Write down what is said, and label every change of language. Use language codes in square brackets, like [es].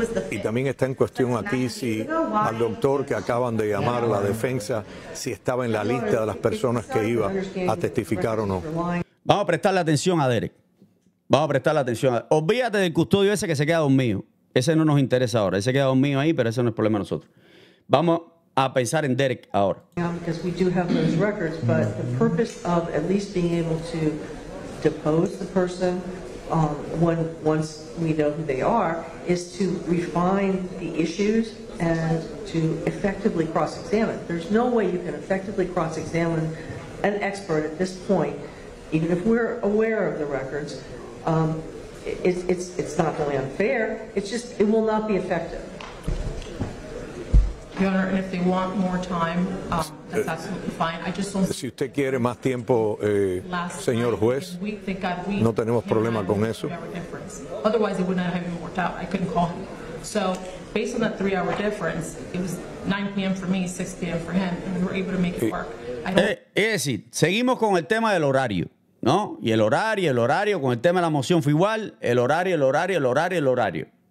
[es] Y también está en cuestión aquí si al doctor que acaban de llamar la defensa, si estaba en la lista de las personas que iba a testificar o no. Vamos a prestarle atención a Derek. Vamos a prestarle atención. Olvídate del custodio ese que se queda dormido. Ese no nos interesa ahora. Ese queda dormido ahí, pero ese no es problema de nosotros. Vamos, a pensar en Derek ahora. [en] Because we do have those records, but the purpose of at least being able to depose the person once we know who they are is to refine the issues and to effectively cross-examine. There's no way you can effectively cross-examine an expert at this point, even if we're aware of the records. It's not really unfair. It's just it will not be effective. Your Honor, if they want more time, that's absolutely fine. I just don't. [es] Si usted quiere más tiempo, señor juez, no tenemos problema con eso. [en] Otherwise, it would not have even worked out. I couldn't call him. So, based on that three-hour difference, it was 9 p.m. for me, 6 p.m. for him, and we were able to make it work. [es] Es decir, seguimos con el tema del horario, ¿no? Y el horario, con el tema de la moción fue igual, el horario, el horario, el horario, el horario.